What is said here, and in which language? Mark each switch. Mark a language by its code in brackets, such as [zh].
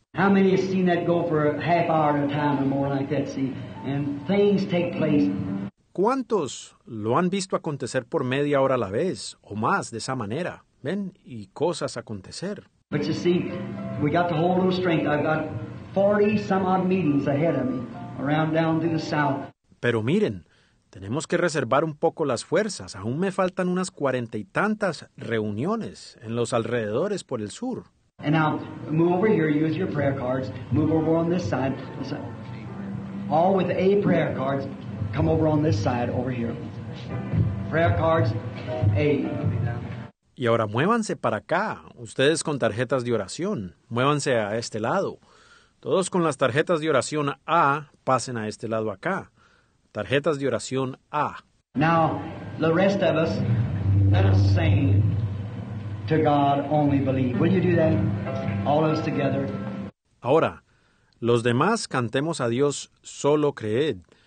[en] How many have seen that go for a half hour at a time or more like that, see? And things take place. [es] ¿Cuántos lo han visto acontecer por media hora a la vez o más de esa manera? ¿Ven? Y cosas acontecer. [en] But you see, we got the whole little strength. I've got 40 some odd meetings ahead of me around down to the south. [es] Pero miren, tenemos que reservar un poco las fuerzas. Aún me faltan unas 40 y tantas reuniones en los alrededores por el sur. [en] And now, move over here, use your prayer cards. Move over on this side. All with a prayer cards. Come over on this side, over here. Prayer cards, A. [es] Y ahora muévanse para acá, ustedes con tarjetas de oración. Muévanse a este lado. Todos con las tarjetas de oración A, pasen a este lado acá. Tarjetas de oración A. [en] Now, the rest of us, let us sing to God only believe. Will you do that? All of us together. [es] Ahora, los demás cantemos a Dios solo creed.